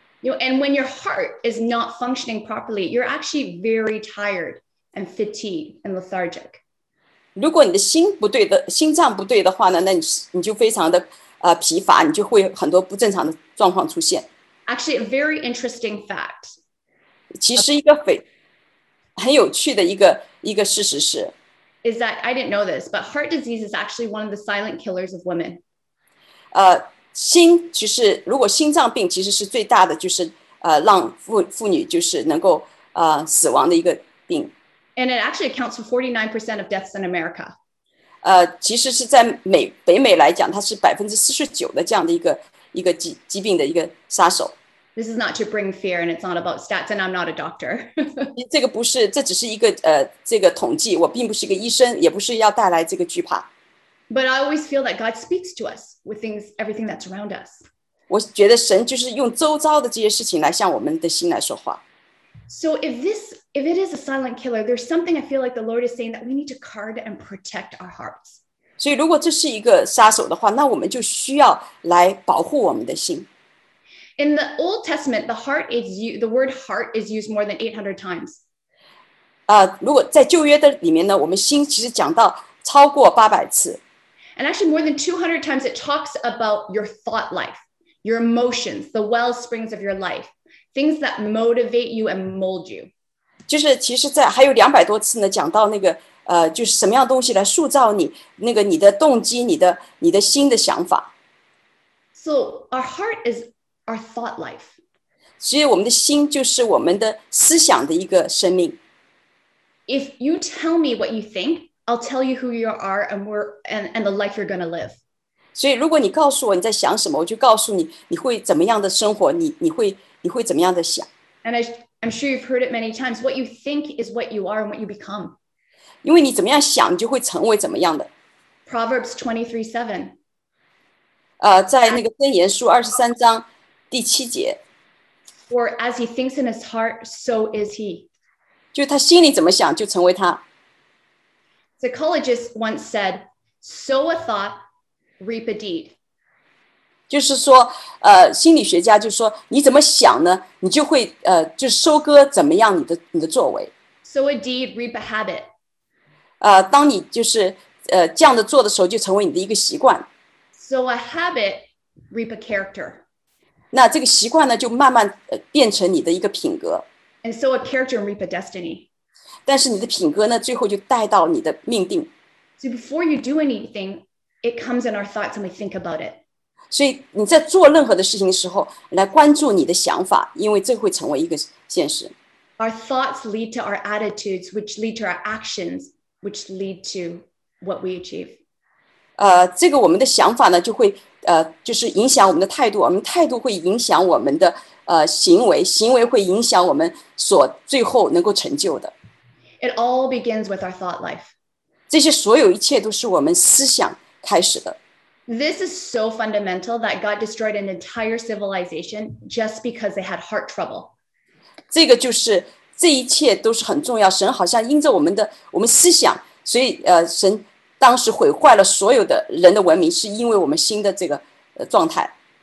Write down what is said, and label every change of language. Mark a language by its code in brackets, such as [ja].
[en] You know, and when your heart is not functioning properly, you're actually very tired and fatigued and lethargic. [zh] 如果你的心不对的，心脏不对的话呢，那你就非常的疲乏，你就会很多不正常的状况出现。 [en] Actually, a very interesting fact. [zh] 其实一个很有趣的一个事实是 [en] ，is that I didn't know this, but heart disease is actually one of the silent killers of women. [zh] 心其实如果心脏病其实是最大的就是让妇女就是能够死亡的一个病。 [en] And it actually accounts for 49% of deaths in America. [zh] 其实是在北美来讲，它是49%的这样的一个疾病的一个杀手。 [en] This is not to bring fear, and it's not about stats, and I'm not a doctor. [zh] 这个不是，这只是一个这个统计。我并不是一个医生，也不是要带来这个惧怕。 [en] But I always feel that God speaks to us with things, everything that's around us. [zh] 我觉得神就是用周遭的这些事情来向我们的心来说话。 [en] So if it is a silent killer, there's something I feel like the Lord is saying that we need to guard and protect our hearts. [zh] 所以如果这是一个杀手的话，那我们就需要来保护我们的心。 [en] In the Old Testament, the word heart is used more than 800 times. [zh] 如果在旧约的里面呢，我们心其实讲到超过800次。 [en] And actually more than 200 times it talks about your thought life, your emotions, the wellsprings of your life, things that motivate you and mold you. [zh] 就是其实在还有200多次呢，讲到那个就是什么样东西来塑造你，那个你的动机，你的心的想法。 [en] So our heart is our thought life. [zh] 其实我们的心就是我们的思想的一个生命。 [en] If you tell me what you think, I'll tell you who you are and the life you're going to live. [zh] 所以如果你告诉我你在想什么，我就告诉你你会怎么样的生活，你会怎么样的想。 [en] And I'm sure you've heard it many times. What you think is what you are and what you become. [zh] 因为你怎么样想，你就会成为怎么样的。 [en] Proverbs 23:7. [zh] 在那个箴言书23章。第七节 [en] For as he thinks in his heart, so is he. [zh] 就他心里怎么想，就成为他。 [en] Psychologist once said, sow a thought, reap a deed. [zh] 就是说，心理学家就说，你怎么想呢，你就会，就收割怎么样你的作为。 [en] Sow a deed, reap a habit. [zh] 当你就是，这样的做的时候，就成为你的一个习惯。 [en] Sow a habit, reap a character. [zh] 那这个习惯呢，就慢慢变成你的一个品格。 [en] And so a character reap a destiny. [zh] 但是你的品格呢，最后就带到你的命定。 [en] So before you do anything, it comes in our thoughts and we think about it. [zh] 所以你在做任何的事情的时候，来关注你的想法，因为这会成为一个现实。 [en] Our thoughts lead to our attitudes, which lead to our actions, which lead to what we achieve. [zh] 这个我们的想法呢，就会就是影响我们的态度，我们态度会影响我们的行为，行为会影响我们所最后能够成就的。 [en] It all begins with our thought life. [zh] 这些所有一切都是我们思想开始的。 [en] This is so fundamental that God destroyed an entire civilization just because they had heart trouble. [zh] 这个就是这一切都是很重要，神好像因着我们思想，所以神当时毁坏了所有的人的文明，是因为我们心的这个状态。